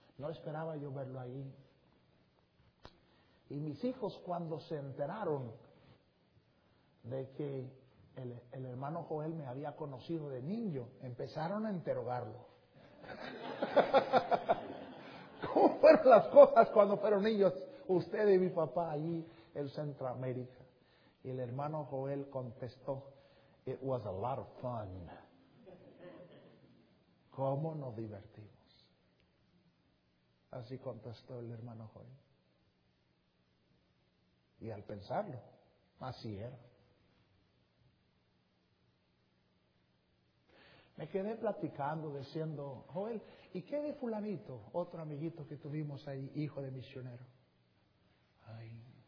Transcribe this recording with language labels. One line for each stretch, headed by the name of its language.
Spanish: No esperaba yo verlo ahí. Y mis hijos cuando se enteraron de que el hermano Joel me había conocido de niño, empezaron a interrogarlo. ¿Cómo fueron las cosas cuando fueron niños? Usted y mi papá allí en Centroamérica. Y el hermano Joel contestó,
English: it was a lot of fun.
Spanish: ¿Cómo nos divertimos? Así contestó el hermano Joel. Y al pensarlo, así era. Me quedé platicando, diciendo, Joel, ¿y qué de fulanito, otro amiguito que tuvimos ahí, hijo de misionero? Ay.